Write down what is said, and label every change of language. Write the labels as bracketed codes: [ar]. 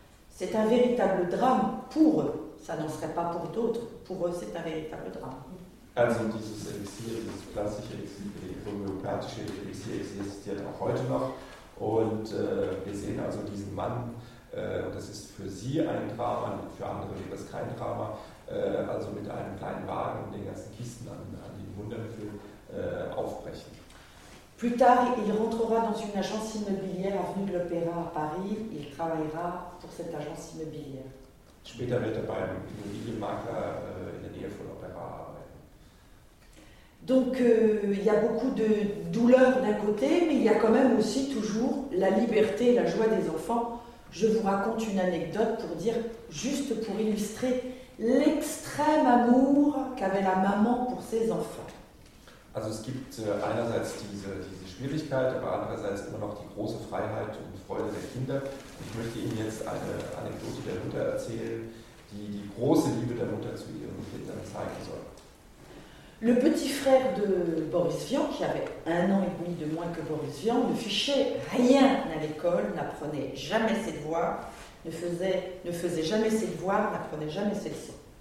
[fr] C'est un véritable drame pour eux. Ça n'en serait pas pour d'autres. Pour eux, c'est un véritable drame. [de] Also, dieses Elixir, dieses klassische homöopathische Elixir existiert auch heute noch. Und wir sehen also diesen Mann, das ist für sie ein Drama, für andere wäre das kein Drama, also mit einem kleinen Wagen und den ganzen Kisten an den Wundermittel aufbrechen. [fr] Plus tard, il rentrera dans une agence immobilière avenue de l'Opéra à Paris. Il travaillera pour cette agence immobilière. [de] Später wird er beim Immobilienmakler in der Nähe von l'Opéra arbeiten. [fr] Donc, il y a beaucoup de douleur d'un côté, mais il y a quand même aussi toujours la liberté et la joie des enfants. Je vous raconte une anecdote pour dire, juste pour illustrer l'extrême amour qu'avait la maman pour ses enfants. [de] Also es gibt einerseits diese Schwierigkeit, aber andererseits immer noch die große Freiheit und Freude der Kinder. Ich möchte Ihnen jetzt eine Anekdote der Mutter erzählen, die große Liebe der Mutter zu ihren Kindern zeigen soll. [fr] Le petit frère de Boris Vian, qui avait un an et demi de moins que Boris Vian, ne fichait rien à l'école, n'apprenait jamais ses devoirs, ne faisait jamais ses devoirs, n'apprenait jamais ses leçons.